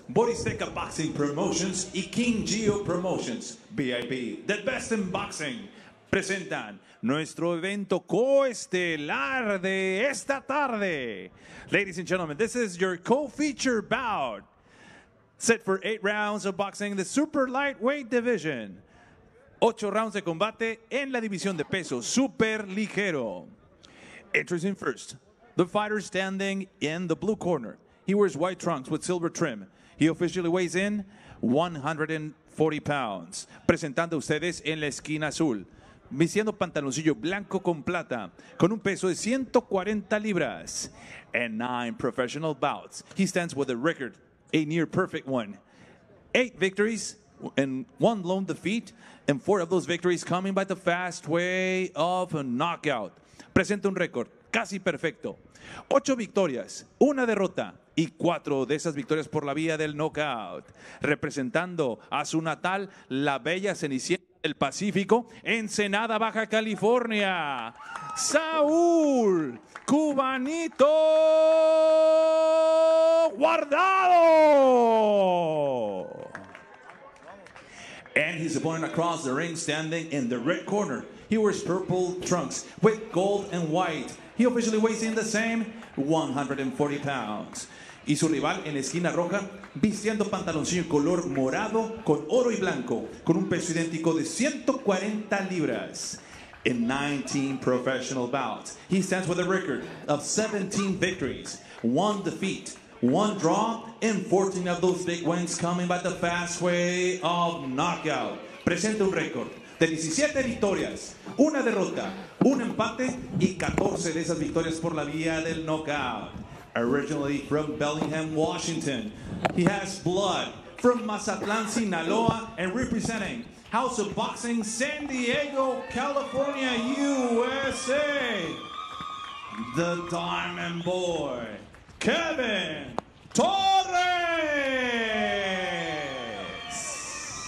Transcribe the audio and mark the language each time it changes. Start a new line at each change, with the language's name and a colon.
Spanish: Boristeca Boxing Promotions y King Geo Promotions, VIP,
English: the best in boxing,
Spanish: presentan nuestro evento coestelar de esta tarde.
English: Ladies and gentlemen, this is your co-feature bout. Set for 8 rounds of boxing in the super lightweight division.
Spanish: 8 rounds de combate en la división de peso super ligero.
English: Introducing first, the fighter standing in the blue corner. He wears white trunks with silver trim. He officially weighs in 140 pounds.
Spanish: Presentando a ustedes en la esquina azul. Vistiendo pantaloncillo blanco con plata, con un peso de 140 libras.
English: And 9 professional bouts. He stands with a record, a near perfect one. 8 victories and 1 lone defeat, and 4 of those victories coming by the fast way of a knockout.
Spanish: Presenta un récord casi perfecto. 8 victorias, 1 derrota, y 4 de esas victorias por la vía del knockout. Representando a su natal, la bella cenicienta del Pacífico, Ensenada, Baja California. Saúl Cubanito Guardado.
English: And his opponent across the ring, standing in the red corner. He wears purple trunks with gold and white. He officially weighs in the same 140 pounds.
Spanish: Y su rival en esquina roja, vistiendo pantaloncillo color morado con oro y blanco, con un peso idéntico de 140 libras.
English: In 19 professional bouts, he stands with a record of 17 victories, 1 defeat, 1 draw, and 14 of those big wins coming by the fast way of knockout.
Spanish: Presenta un récord de 17 victorias, 1 derrota, 1 empate, y 14 de esas victorias por la vía del knockout.
English: Originally from Bellingham, Washington, he has blood from Mazatlán, Sinaloa, and representing House of Boxing, San Diego, California, USA, the Diamond Boy, Kevin Torres.